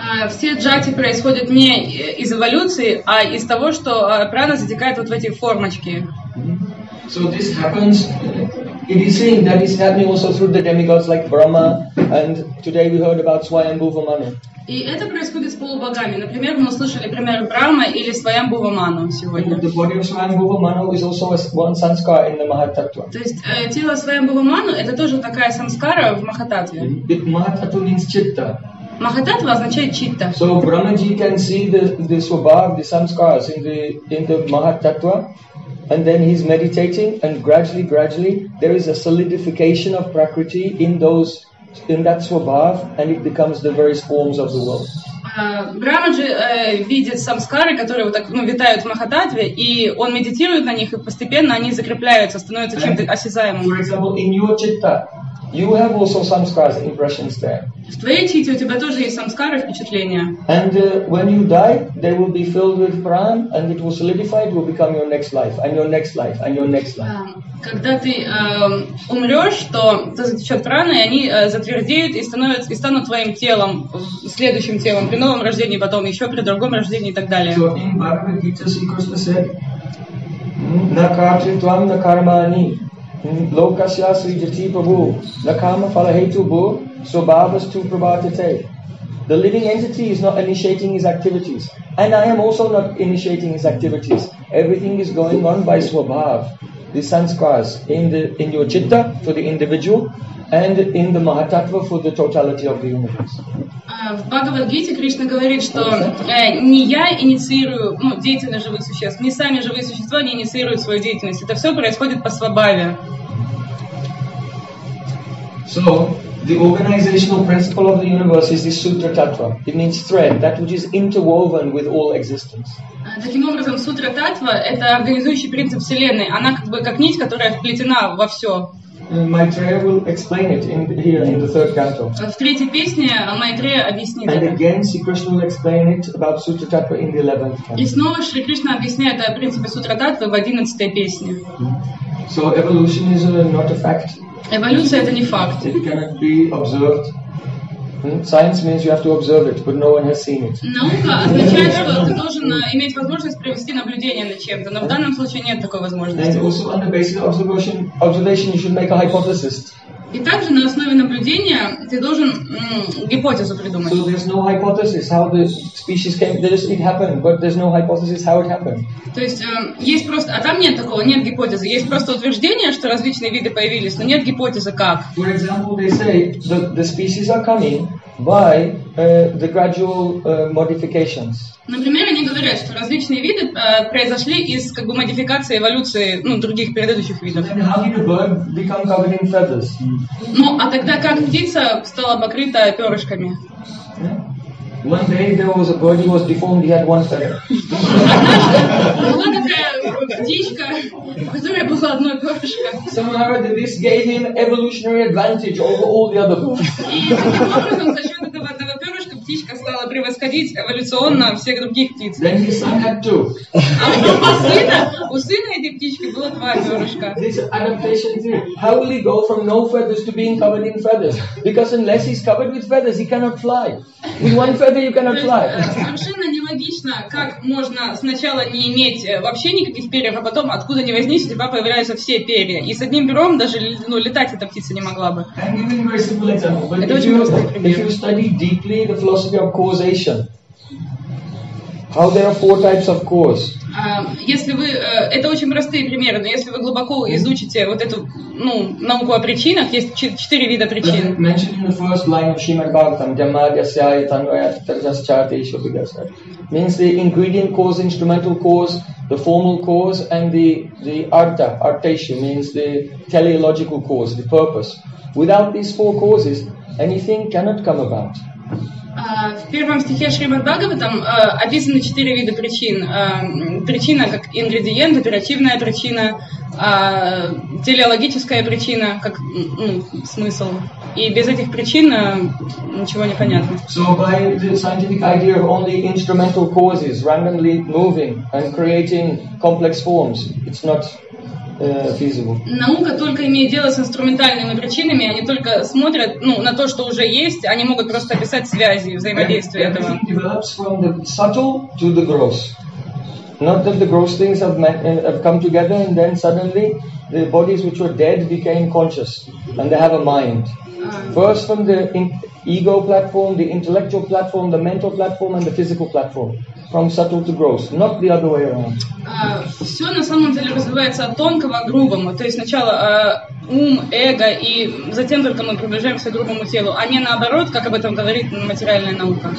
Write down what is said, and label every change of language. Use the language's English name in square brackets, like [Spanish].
[Russian] Все джати происходят не из эволюции, а из того, что прана затекает вот в эти формочки. [English] So this happens. It is seen that it's happening also through the demigods like Brahma, and today we heard about Swayambhuva Manu. [Russian] И это происходит с полубогами. Например, мы услышали пример Брахмы или Свайамбхува Ману сегодня. [English] The body of Swayambhuva Manu is also one samskara in the maha tattva. [Russian] То есть тело Свайамбхува Ману это тоже такая самскара в маха таттве. [English] Maha tattva means chitta. [Russian] Maha tattva означает читта. [English] So Brahmaji can see the swabhav, the samskaras in the maha tattva, and then he's meditating, and gradually there is a solidification of prakriti in those. In that swabhav, and it becomes the various forms of the world. [Russian] Брамаджи видит самскары, которые вот так витают в Махататве, и он медитирует на них, и постепенно они закрепляются, становятся чем-то осязаемым. [English] For example, in your chitta, you have also samskaras, impressions there. [Russian] В твоей чите у тебя тоже есть самскары, впечатления. [English] And when you die, they will be filled with pran, and it will solidify, it will become your next life, and your next life, and your next life. [Russian] Когда ты умрешь, то ты затечешь праны, и они затвердеют и станут твоим телом, следующим телом, при новом рождении, потом еще при другом рождении и так далее. [English] So in Bhagavad Gita, Sri Krishna said, [Sanskrit] Nakartritvam nakarmani, lokasya sridhati prabhu, nakama falahetu bhu, so bhavas tu prabhatate. [English] The living entity is not initiating his activities, and I am also not initiating his activities. Everything is going on by swabhav. The sanskars in your chitta for the individual, and in the mahatattva for the totality of the universe. [Russian] В Бхагавад-гите Кришна говорит, что не я инициирую деятельность живых существ, не сами живые существа не инициируют свою деятельность. Это все происходит по свабаве. [English] So The organizational principle of the universe is the Sutra Tattva. It means thread, that which is interwoven with all existence. [Russian] Таким образом, Сутра Татва — это организующий принцип Вселенной. Она как бы как нить, которая вплетена во все. [English] Майтрея will explain it in, here in the third canto. [Russian] В третьей песне Майтрея объяснит. [English] And again, Sri Krishna will explain it about Sutra Tattva in the 11th canto. [Russian] И снова Шри Кришна объясняет о принципе Сутра Татва в 11-й песне. [English] So evolution is not a fact. [Russian] Эволюция — это не факт. [English] It cannot be observed. Science means you have to observe it, but no one has seen it. [Russian] Наука означает, что ты должен иметь возможность провести наблюдение над чем-то, но в данном случае нет такой возможности. [English] And also on the basis of observation, you should make a hypothesis. [Russian] И также на основе наблюдения ты должен гипотезу придумать. [English] So there's no hypothesis how the species came. It happened, but there's no hypothesis how it happened. [Russian] То есть есть просто, а там нет такого, нет гипотезы. Есть просто утверждение, что различные виды появились, но нет гипотезы как. [English] For example, they say the species are coming by the gradual modifications. [Russian] Например, они говорят, что различные виды произошли из как бы модификации эволюции других предыдущих видов. [English] So how did a bird become covered in feathers? [Russian] Ну, а тогда как птица стала покрыта перышками? [English] Yeah. One day there was a bird, he was deformed, he had one feather. [Russian] Была такая птичка, у которой было одно перышко. [English] Somehow this gave him evolutionary advantage over all the other birds. [Russian] И таким образом, за счет этого одного перышка птичка стала превосходить эволюционно всех других птиц. [English] Then his son had two. [Russian] А у сына этой птички было два перышка. [English] This adaptation theory. How will he go from no feathers to being covered in feathers? Because unless he's covered with feathers, he cannot fly. With one feather you cannot fly. [Russian] Совершенно нелогично, как можно сначала не иметь вообще никаких перьев, а потом откуда ни возьмись, у тебя появляются все перья. И с одним пером даже летать эта птица не могла бы. Это очень простой пример. [English] If you study deeply the philosophy of causation, how there are four types of cause. [Russian] Если вы, это очень простые примеры, но если вы глубоко изучите вот эту науку о причинах, есть четыре вида причин. [English] Mentioned in the first line of Shrimad Bhagavatam, [Sanskrit] Jamadyasyaya Tanvaya Tarjaschati Shubhidasya. [English] Means the ingredient cause, instrumental cause, the formal cause, and the artha, artesha, means the teleological cause, the purpose. Without these four causes, anything cannot come about. [Russian] В первом стихе Шримад Бхагаватам описаны четыре вида причин. Причина как ингредиент, оперативная причина, телеологическая причина, как смысл. И без этих причин ничего не понятно. So by the scientific idea of only instrumental causes randomly moving and creating complex forms, it's not feasible. Наука только имеет дело с инструментальными причинами, они только смотрят на то, что уже есть, они могут просто описать связи, взаимодействие этого. [English] Everything develops from the subtle to the gross. Not that the gross things have come together and then suddenly the bodies which were dead became conscious and they have a mind. First from the ego platform, the intellectual platform, the mental platform and the physical platform. From subtle to gross, not the other way around. [Russian] Все на самом деле развивается от тонкого к грубому. То есть сначала ум, эго, и затем только мы приближаемся к грубому телу. А не наоборот, как об этом говорит материальная наука.